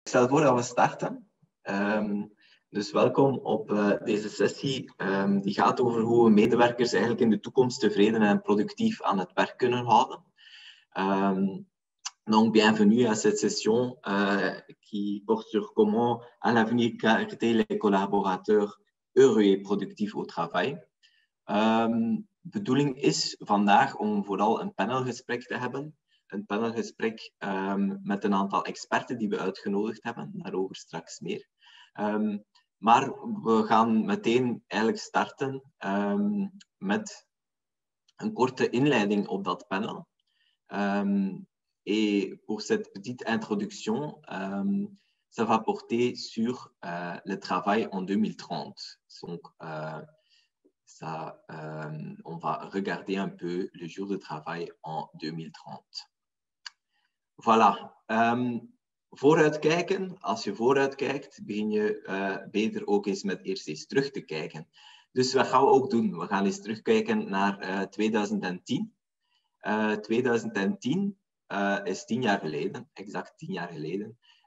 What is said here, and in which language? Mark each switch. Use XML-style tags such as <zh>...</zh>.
<nl>Stel voor dat we starten. Dus welkom op deze sessie. Die gaat over hoe we medewerkers eigenlijk in de toekomst tevreden en productief aan het werk kunnen houden.</nl> <fr>Donc bienvenue à cette session qui porte sur comment à l'avenir garder les collaborateurs heureux et productifs au travail.</fr> <nl>Bedoeling is vandaag om vooral een panelgesprek te hebben. Een panelgesprek met een aantal experten die we uitgenodigd hebben, daarover straks meer. Maar we gaan meteen eigenlijk starten met een korte inleiding op dat panel.</nl> <fr>Et pour cette petite introduction, ça va porter sur le travail en 2030. Donc, on va regarder un peu le jour de travail en 2030.</fr> <nl>Voilà. Vooruitkijken. Als je vooruitkijkt, begin je beter ook eens met eerst eens terug te kijken. Dus wat gaan we ook doen? We gaan eens terugkijken naar 2010. 2010 is 10 jaar geleden, exact 10 jaar geleden.</nl>